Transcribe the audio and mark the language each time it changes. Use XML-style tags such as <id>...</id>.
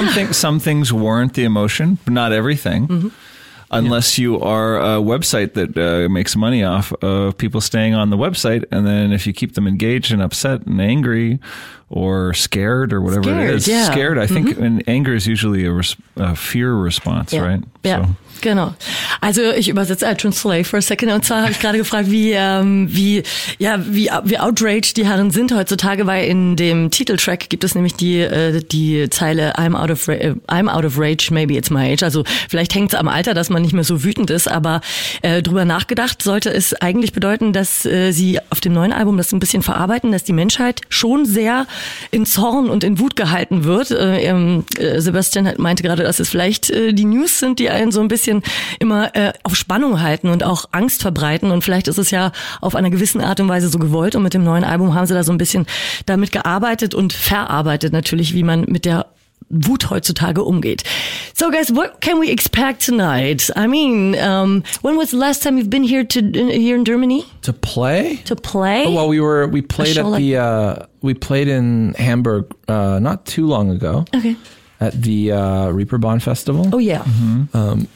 <en>Some things warrant the emotion, but not everything. Mm-hmm. Unless you are a website that makes money off of people staying on the website. And then if you keep them engaged and upset and angry or scared or whatever scared, it is. Yeah. Scared, I think. Mm-hmm. And anger is usually a fear response, right? Yeah. So. Genau.</en> <de>Also ich übersetze</de> <en>I translate for a second</en> <de>und zwar habe ich gerade gefragt, wie outraged die Herren sind heutzutage, weil in dem Titeltrack gibt es nämlich die Zeile</de> <en>I'm out of rage, maybe it's my age.</en> <de>Also vielleicht hängt es am Alter, dass man nicht mehr so wütend ist, aber drüber nachgedacht sollte es eigentlich bedeuten, dass sie auf dem neuen Album das ein bisschen verarbeiten, dass die Menschheit schon sehr in Zorn und in Wut gehalten wird. Sebastian meinte gerade, dass es vielleicht die News sind, die einen so ein bisschen immer auf Spannung halten und auch Angst verbreiten. Und vielleicht ist es ja auf einer gewissen Art und Weise so gewollt. Und mit dem neuen Album haben sie da so ein bisschen damit gearbeitet und verarbeitet natürlich, wie man mit der Wut heutzutage umgeht.</de> <en>So guys, what can we expect tonight? I mean, when was the last time you've been here in Germany? To play? Oh, well, we played in Hamburg not too long ago. Okay. At the Reeperbahn Festival. Oh, yeah. Mm-hmm.</en>